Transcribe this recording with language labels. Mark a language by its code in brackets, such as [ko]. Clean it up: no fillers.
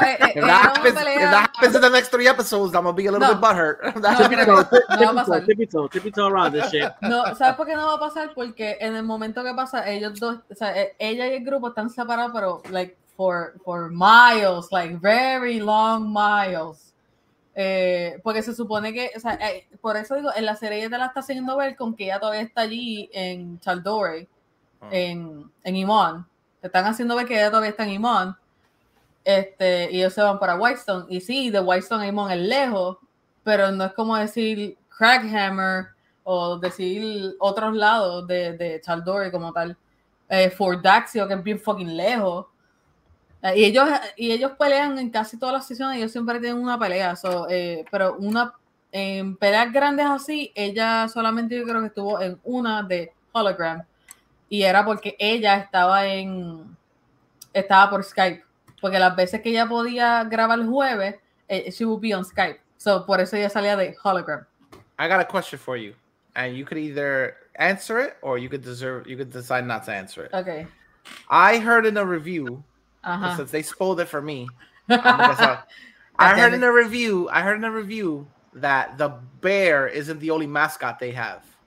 [en] if that happens in the next 3 episodes, I'm gonna be a little bit butthurt. Tippy-toe around this shit. [es] No, ¿sabes por qué no va a pasar? Porque en el momento que pasa, ellos dos, o sea, ella y el grupo están separados, pero, [en] like, for miles, like, very long miles. [es] Porque se supone que, o sea, por eso digo, en la serie ella te la está haciendo ver con que ella todavía está allí en Chaldore, en Imon. Te están haciendo ver que ella todavía está en Imon, y ellos se van para Whitestone. Y sí, de Whitestone a Imon es lejos, pero no es como decir Craghammer o decir otros lados de Chaldore como tal. Fort Daxio, que es bien fucking lejos. Y ellos pelean en casi todas las sesiones, ellos siempre tienen una pelea, pero en peleas grandes así, ella solamente yo creo que estuvo en una de Hologram, y era porque ella estaba por Skype, porque las veces que ella podía grabar el jueves, [en] she would be on Skype, [es] so por eso ella salía de Hologram. [en] I got a question for you, and you could either answer it, or you could decide not to answer it. Okay. I heard in a review... Uh-huh. Since they spoiled it for me, I heard in a review that the bear isn't the only mascot they have.